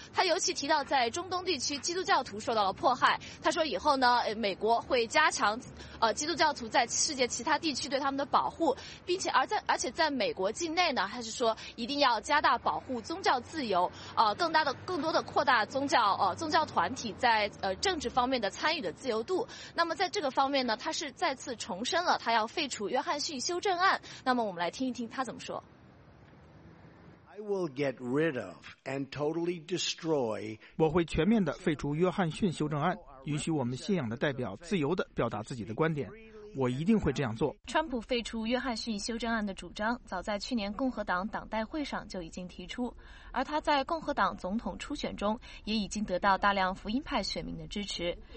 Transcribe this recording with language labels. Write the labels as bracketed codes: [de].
[zh] 他尤其提到在中东地区基督教徒受到了迫害，他说以后呢美国会加强基督教徒在世界其他地区对他们的保护，并且而且在美国境内呢还是说一定要加大保护宗教自由，更多的扩大宗教团体在政治方面的参与的自由度。那么在这个方面呢，他是再次重申了他要废除约翰逊修正案。那么我们来听一听他怎么说。 [en] I will get rid of and totally destroy. [zh] 我会全面地废除约翰逊修正案，允许我们信仰的代表自由地表达自己的观点。我一定会这样做。川普废除约翰逊修正案的主张，早在去年共和党党代会上就已经提出，而他在共和党总统初选中也已经得到大量福音派选民的支持。